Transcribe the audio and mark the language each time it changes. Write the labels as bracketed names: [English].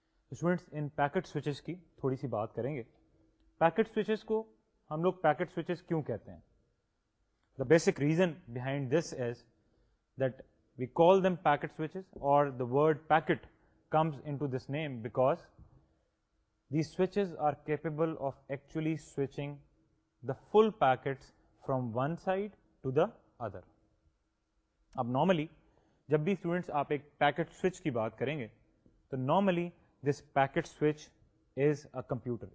[Urdu] Students ان packet switches کی تھوڑی سی بات کریں گے. پیکٹ سوئچز کو ہم لوگ پیکٹ سوئچز کیوں کہتے ہیں؟ [English] The basic reason behind this is that we call them packet switches اور the word packet comes in to this name because the switches are capable of actually switching the full packets from one side to the other. [Urdu] اب normally جب بھی students آپ ایک packet switch کی بات کریں گے تو normally [English] this packet switch is a computer.